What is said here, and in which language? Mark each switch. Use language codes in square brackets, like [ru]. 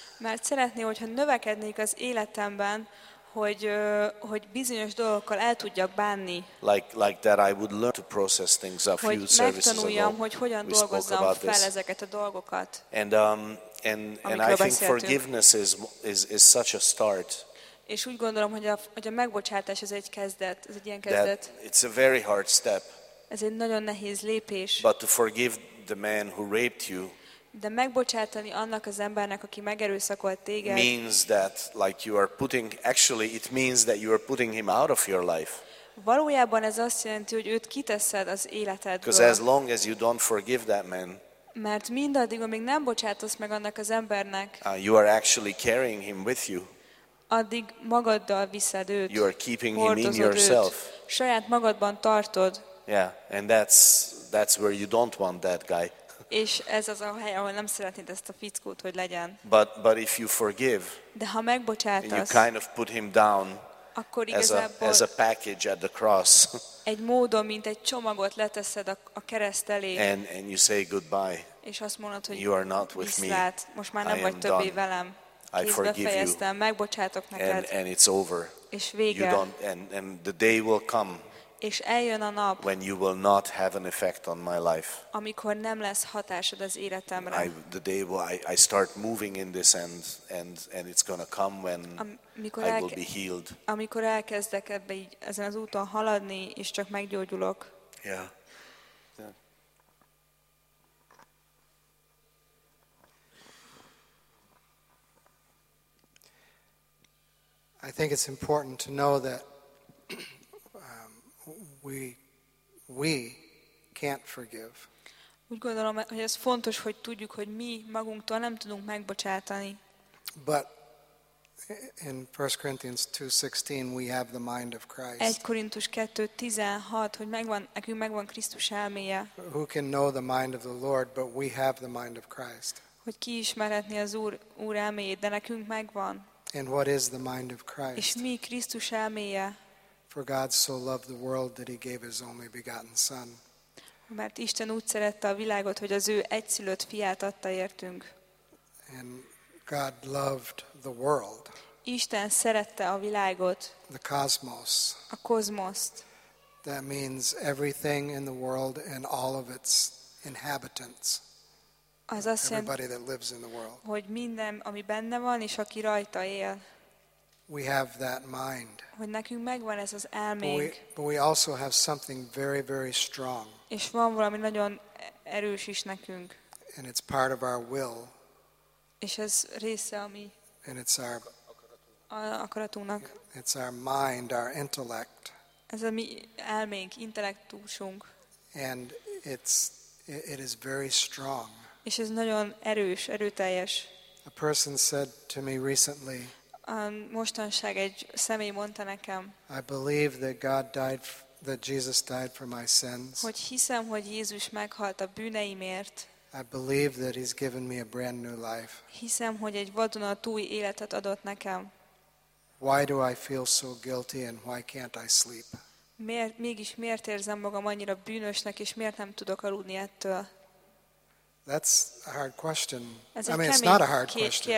[hu] Mert szeretné, hogyha növekednék az életemben, hogy bizonyos dolgokkal el tudjak bánni. [en] Like that I would learn to process things a few services ago. [hu] Hogy hogyan dolgozzam fel ezeket a dolgokat. [en] And I think forgiveness is such a start. [hu] És úgy gondolom, hogy a megbocsátás ez egy kezdet, ez egy ilyen kezdet. [en] That it's a very hard step. [hu] Ez egy nagyon nehéz lépés. [en] But to forgive the man who raped you. [hu] De megbocsátani annak az embernek, aki megerőszakolt téged. [en] Means that like you are putting, actually it means that you are putting him out of your life. [hu] Valójában ez azt jelenti, hogy őt kiteszed az életedből. [en] Because as long as you don't forgive that man. [hu] Mert mindaddig, amíg nem bocsátasz meg annak az embernek. [en] You are actually carrying him with you. [hu] Addig magaddal viszed őt. [en] You are keeping him in yourself. [hu] Saját magadban tartod. [en] Yeah, and that's where you don't want that guy. [hu] És ez az a hely, ahol nem szeretnéd ezt a fickót, hogy legyen. [en] But if you forgive, [hu] de ha megbocsátasz, [en] you kind of put him down [hu] akkor igazából [en] as a package at the cross. [hu] Egy módon, mint egy csomagot leteszed a kereszt elé. [en] And you say goodbye. [hu] És azt mondod, hogy [en] you are not with me. [hu] Most már nem vagy többé [en] done. [hu] Velem. [en] I forgive you. [hu] Megbocsátok neked. [en] And it's over. [hu] És vége. [en] You don't, and the day will come. [hu] És eljön a nap, [en] when you will not have an effect on my life. [hu] Amikor nem lesz hatásod az életemre. [en] The day will I start moving in this and it's gonna come when I will be healed. [hu] Amikor elkezdek ebbe így ezen az úton haladni és csak meggyógyulok. [en] Yeah. I think it's important to know that we can't forgive. [hu] Úgy gondolom, hogy ez fontos, hogy tudjuk, hogy mi magunktól nem tudunk megbocsátani. [en] But in 1 Corinthians 2:16 we have the mind of Christ. [hu] 1 Korintus 2:16, hogy megvan Krisztus elméje. [en] Who can know the mind of the Lord, but we have the mind of Christ. [hu] Hogy ki ismerhetné az Úr elméjét, de nekünk megvan. [en] And what is the mind of Christ? [hu] És mi Krisztus elméje? [en] For God so loved the world that he gave his only begotten son. [hu] Mert Isten úgy szerette a világot, hogy az ő egyszülött fiát adta értünk. [en] And God loved the world. [hu] Isten szerette a világot. [en] The cosmos. [hu] A kozmoszt. [en] That means everything in the world and all of its inhabitants. [hu] Az azt [en] jelenti, everybody that lives in the world. [hu] Hogy minden, ami benne van és aki rajta él. [en] We have that mind. [hu] Hogy nekünk megvan ez az elménk. [en] But we also have something very, very strong. [hu] És van valami nagyon erős is nekünk. [en] And it's part of our will. [hu] És ez része a mi. [en] And it's our [hu] akaratunknak. [en] It's our mind, our intellect. [hu] Ez a mi elménk, intellektusunk. [en] And it is very strong. [hu] És ez nagyon erős, erőteljes. [en] A person said to me recently. [hu] Mostanság egy személy mondta nekem. [en] I believe that God died, that Jesus died for my sins. [hu] Hogy hiszem, hogy Jézus meghalt a bűneimért. [en] I believe that he's given me a brand new life. [hu] Hiszem, hogy egy vadonatúj életet adott nekem. [en] Why do I feel so guilty and why can't I sleep? [hu] Mégis miért érzem magam annyira bűnösnek és miért nem tudok aludni ettől? [en] That's a hard question. I mean, it's not a hard question.